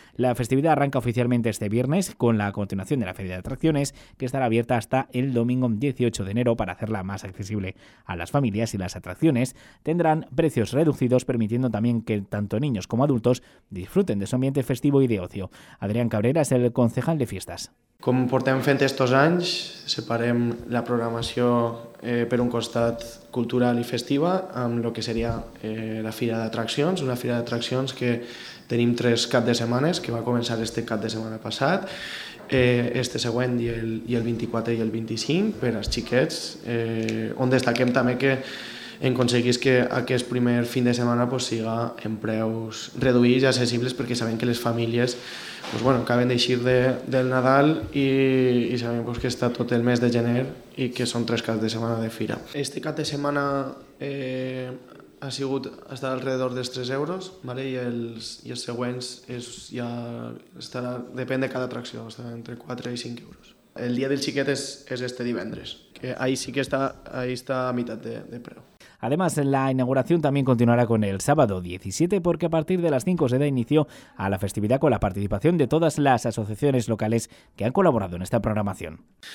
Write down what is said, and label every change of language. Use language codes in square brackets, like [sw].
[es] La festividad arranca oficialmente este viernes con la continuación de la feria de atracciones, que estará abierta hasta el domingo 18 de enero para hacerla más accesible a las familias, y las atracciones tendrán precios reducidos, permitiendo también que tanto niños como adultos disfruten de su ambiente festivo y de ocio. Adrián Cabrera es el concejal de fiestas. [ca] Com portem fent estos anys, separem la programació per un costat cultural i festiva amb el que seria la fira d'atraccions, una fira d'atraccions que tenim tres caps de setmanes, que va començar este cap de setmana passat, este següent i el 24 i el 25 per als xiquets, on destaquem també que aconseguís que aquest primer fin de setmana pues, siga en preus reduïts i accessibles, perquè sabem que les famílies pues, bueno, acaben d'eixir del Nadal i sabem pues, que està tot el mes de gener i que són tres caps de setmana de fira. Este cap de setmana ha sigut [es] hasta alrededor [ca] dels 3 euros, ¿vale? i els següents ja estarà, depèn de cada atracció, estarà entre 4 i 5 euros. El dia del xiquet és este divendres, que ahí sí que està a meitat de preu. [es] Además, la inauguración también continuará con el sábado 17, porque a partir de las 5 se da inicio a la festividad con la participación de todas las asociaciones locales que han colaborado en esta programación.